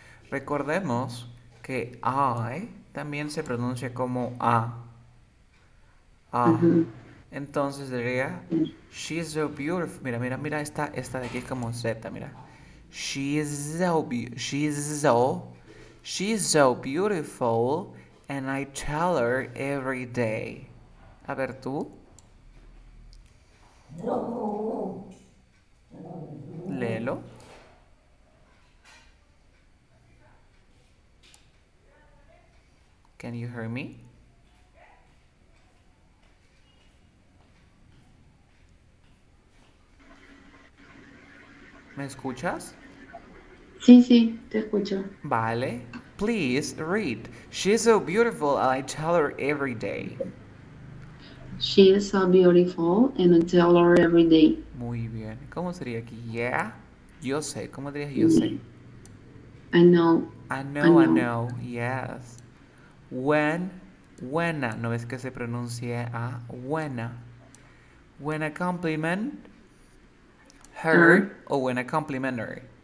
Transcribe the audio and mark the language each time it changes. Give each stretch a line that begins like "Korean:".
Spanish: Recordemos que I también se pronuncia como a. Entonces diría,
English: she's so beautiful.
Spanish: Mira, mira, mira, esta de aquí es como Z, mira.
English: She's so beautiful and I tell her every day.
Spanish: A ver, tú. Léelo.
English: Can you hear me?
Spanish: ¿Me escuchas? Sí, te escucho. Vale.
English: Please read. She's so beautiful, and I tell her every day. She is so beautiful and I tell her every day.
Spanish: Muy bien. ¿Cómo sería aquí?
English: Yeah.
Spanish: Yo sé, ¿cómo dirías yo sé?
English: I know, I I know. know, yes.
Spanish: Buena, ¿no ves que se pronuncia a buena?
English: When a compliment her o when a complimentary.